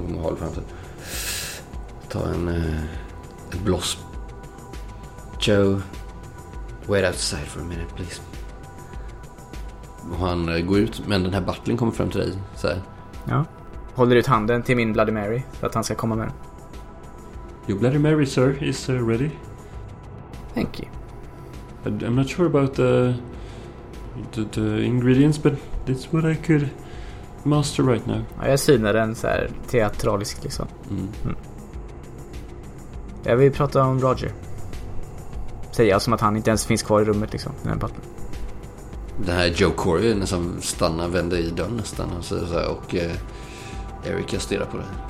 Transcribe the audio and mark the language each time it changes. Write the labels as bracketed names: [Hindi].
[Swedish] Hon håller fram sig. Ta ett blås. [English] Joe, wait outside for a minute, please. [Swedish] Och han går ut, men den här butlern kommer fram till dig. Så här. Ja, håller ut handen till min Bloody Mary för att han ska komma med den. [English] Your Bloody Mary, sir, is ready. Thank you. I'm not sure about the ingredients, but that's what I could master right now. [Swedish] Ja, jag synar den så här teatraliskt liksom. Mm. Jag vill prata om Roger. Säger jag som att han inte ens finns kvar i rummet liksom. Den här Joe Corey som stannar, vänder i dörren nästan. Och Erica stirrar på det.